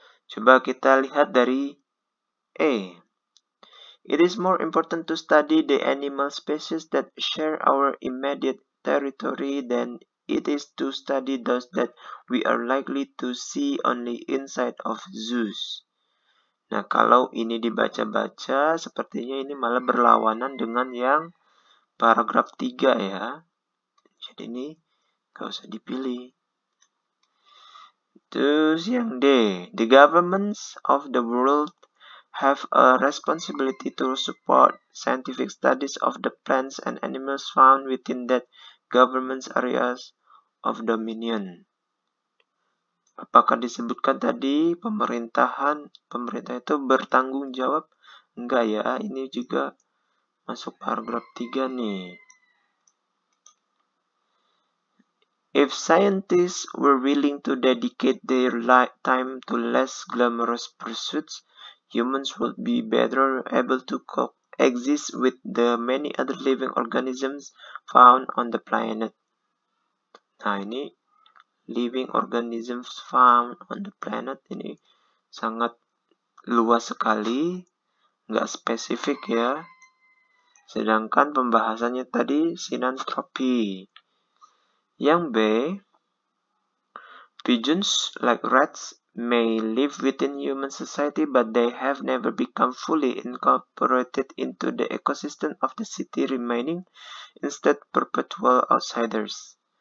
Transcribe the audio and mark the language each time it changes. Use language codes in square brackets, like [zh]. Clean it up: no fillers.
[id] Coba kita lihat dari E. [en] It is more important to study the animal species that share our immediate territory than it is to study those that we are likely to see only inside of zoos. [id] Nah, kalau ini dibaca-baca, sepertinya ini malah berlawanan dengan yang paragraf 3 ya. Jadi ini gak usah dipilih. Terus yang D, [en] the governments of the world have a responsibility to support scientific studies of the plants and animals found within that government's areas of dominion. [id] Apakah disebutkan tadi pemerintah itu bertanggung jawab? Enggak ya, ini juga masuk paragraf 3 nih. [en] If scientists were willing to dedicate their time to less glamorous pursuits, humans would be better able to coexist with the many other living organisms found on the planet. [id] Nah, ini living organisms found on the planet ini sangat luas sekali, nggak spesifik ya. Sedangkan pembahasannya tadi sinantropi. Yang B, [en] pigeons like rats may live within human society, but they have never become fully incorporated into the ecosystem of the city, remaining instead perpetual outsiders.